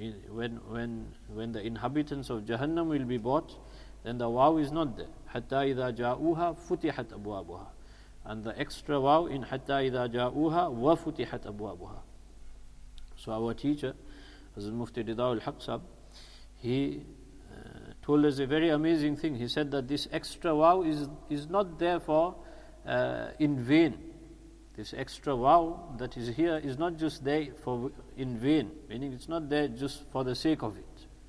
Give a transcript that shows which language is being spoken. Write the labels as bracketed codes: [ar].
[en] When the inhabitants of Jahannam will be brought, then the wow is not there. [ar] حَتَّى إِذَا جَاءُوهَا فُتِحَتْ أَبْوَابُهَا. [en] And the extra wow in [ar] حَتَّى إِذَا جَاءُوهَا وَفُتِحَتْ أَبْوَابُهَا. [en] So our teacher, Hazrat Mufti Ridaul Haq Sahib, he told us a very amazing thing. He said that this extra wow is not there for in vain. This extra wow that is here is not just there for in vain, meaning it's not there just for the sake of it.